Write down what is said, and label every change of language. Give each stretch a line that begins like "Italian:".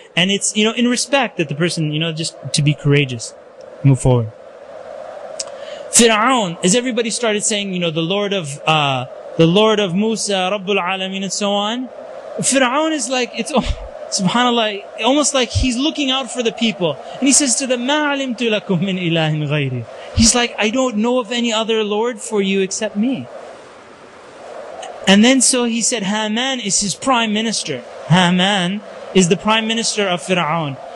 English: And it's, in respect that the person, just to be courageous, move forward. Fir'aun, as everybody started saying, the Lord of Musa, Rabbul Alameen, and so on. Fir'aun is like, subhanAllah, almost like he's looking out for the people. And he says to them,
Arabic: مَا عَلِمْتُ لَكُمْ مِنْ إِلَهٍ غَيْرِ.
English: He's like, I don't know of any other Lord for you except me. And then so he said, Haman is his prime minister. Haman is the prime minister of Firaun.